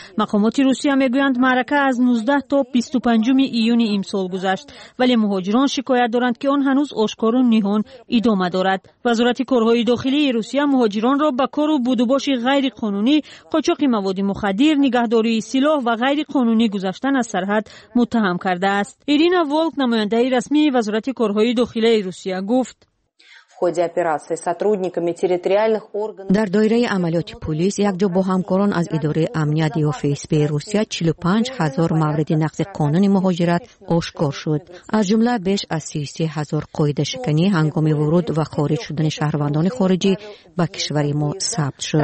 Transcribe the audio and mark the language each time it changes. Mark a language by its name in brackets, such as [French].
[Persian] مقامات روسیه میگویند معرکه از 19 تا 25 ایون امسال گذشت، ولی مهاجران شکایت دارند که آن هنوز آشکار و نهان ادامه دارد. وزارت کارهای داخلی روسیه مهاجران را به کار و بودوباش غیر قانونی، قاچاق مواد مخدر، نگهداری سلاح و غیر قانونی گذشتن از سرحد متهم کرده است. ایرینا وولک نماینده رسمی وزارت کارهای داخلی روسیه گفت [Russian] ходе операции сотрудниками территориальных органов. [Tajik] Дар дойраи амалиёти полис якҷо бо ҳамкорон аз идораи амнияти ФСБ Русия 45000 мавриди нақзи қонуни муҳоҷират ошкор шуд. Аз ҷумла беш аз 33000 қоидашикани ҳангоми вуруд ва хориҷ шудани шаҳрвандони хориҷӣ ба кишвари мо сабт шуд.